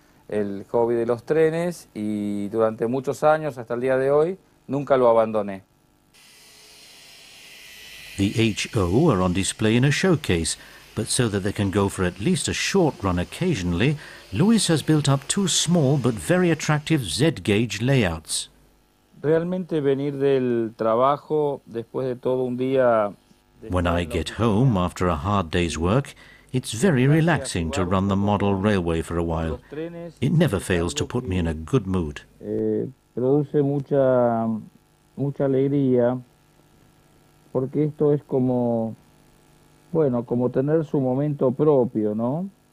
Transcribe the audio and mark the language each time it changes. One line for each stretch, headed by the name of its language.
Spanish: El hobby de los trenes y durante muchos años hasta el día de hoy nunca lo abandoné.
English: The HO are on display in a showcase, but so that they can go for at least a short run occasionally, Luis has built up two small but very attractive Z-gauge layouts.
Spanish: Realmente venir del trabajo después de todo un día.
English: When I get home after a hard day's work, it's very relaxing to run the model railway for a while. It never fails to put me in a good mood.
Spanish: Produce mucha alegría porque esto es como bueno, como tener su momento propio, ¿no?